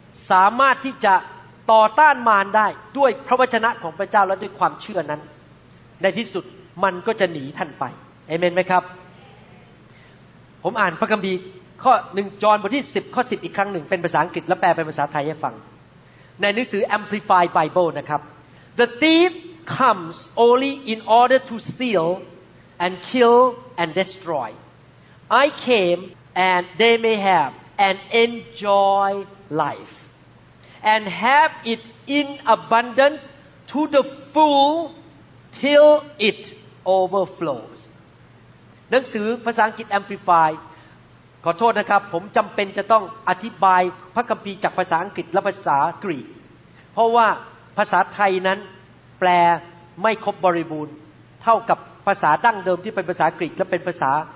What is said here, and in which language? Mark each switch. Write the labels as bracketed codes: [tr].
[th] สามารถที่จะต่อต้านมารได้ด้วยพระวจนะของพระเจ้าและด้วยความเชื่อนั้นในที่สุดมันก็จะหนีท่านไปเอเมนไหมครับผมอ่านพระคัมภีร์ข้อ1จอห์นบทที่10ข้อ10อีกครั้งหนึ่งเป็นภาษาอังกฤษและแปลเป็นภาษาไทยให้ฟังในหนังสือ Amplified Bible นะครับ [en] The thief comes only in order to stealand kill and destroy. I came and they may have and enjoy life and have it in abundance to the full till it overflows. [th] หนังสือภาษาอังกฤษ Amplify ขอโทษนะครับผมจำเป็นจะต้องอธิบายพระคัมภีร์จากภาษาอังกฤษและภาษากรีกเพราะว่าภาษาไทยนั้นแปลไม่ครบบริบูรณ์เท่ากับภาษาดั้งเดิมที่เป็นภาษากรีกและเป็นภาษา